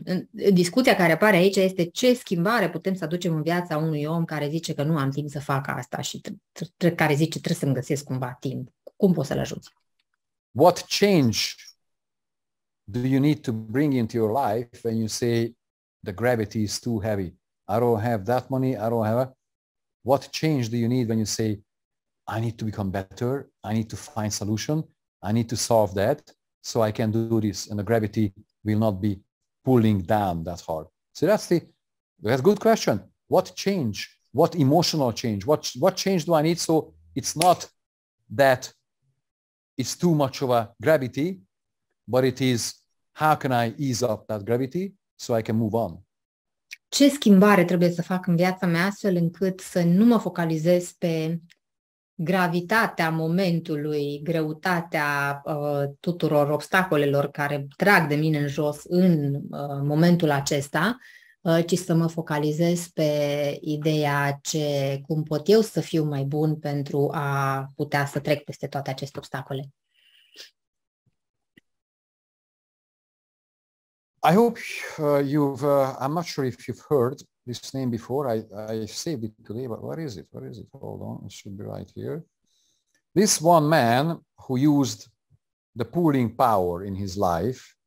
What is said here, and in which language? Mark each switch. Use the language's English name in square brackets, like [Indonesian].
[Romanian] Discuția care apare aici este ce schimbare putem să aducem în viața unui om care zice că nu am timp să facă asta și care zice trebuie să-mi găsesc cumva timp. Cum poți să-l ajuți? [English] What change do you need to bring into your life when you say, the gravity is too heavy. I don't have that money. I don't have. What change do you need when you say, I need to become better. I need to find solution. I need to solve that so I can do this. And the gravity will not be pulling down that hard. So that's a good question. What change? What emotional change? What change do I need? So it's not that it's too much of a gravity, but it is how can I ease up that gravity? So I can move on. [Romanian] Ce schimbare trebuie să fac în viața mea astfel încât să nu mă focalizez pe gravitatea momentului, greutatea tuturor obstacolelor care trag de mine în jos în momentul acesta, ci să mă focalizez pe ideea cum pot eu să fiu mai bun pentru a putea să trec peste toate aceste obstacole. [English] I hope you've, I'm not sure if you've heard this name before. I saved it today, but where is it? Where is it? Hold on, it should be right here. This one man who used the pooling power in his life.